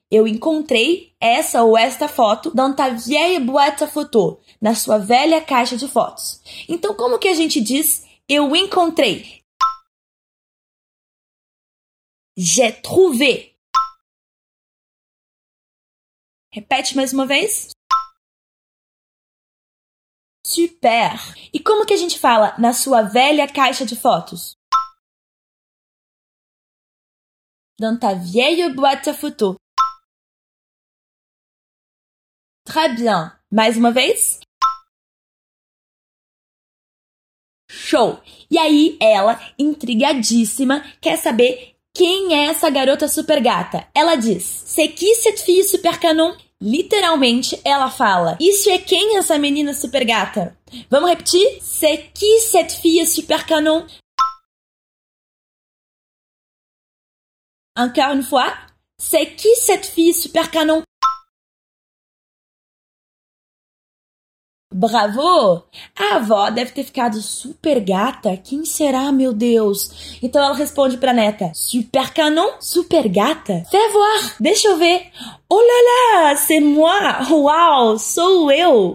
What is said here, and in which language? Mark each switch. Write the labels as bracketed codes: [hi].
[pt] Eu encontrei essa ou esta foto [fr] dans ta vieille boîte à photo, [pt] na sua velha caixa de fotos. Então, como que a gente diz eu encontrei? [fr] J'ai trouvé. [pt] Repete mais uma vez. Super! E como que a gente fala na sua velha caixa de fotos? [fr] Dans ta vieille boîte à photo. Très bien! [pt] Mais uma vez? Show! E aí ela, intrigadíssima, quer saber quem é essa garota super gata. Ela diz, [fr] c'est qui cette fille super canon? [pt] Literalmente, ela fala: isso é quem essa menina super gata? Vamos repetir? [fr] C'est qui cette fille super canon? Encore une fois. C'est qui cette fille super canon? Bravo! [pt] A avó deve ter ficado super gata. Quem será, meu Deus? Então ela responde pra neta: [fr] super canon? [pt] Super gata? [fr] Fais voir! [pt] Deixa eu ver. [fr] Oh là là! C'est moi! [pt] Uau! Sou eu!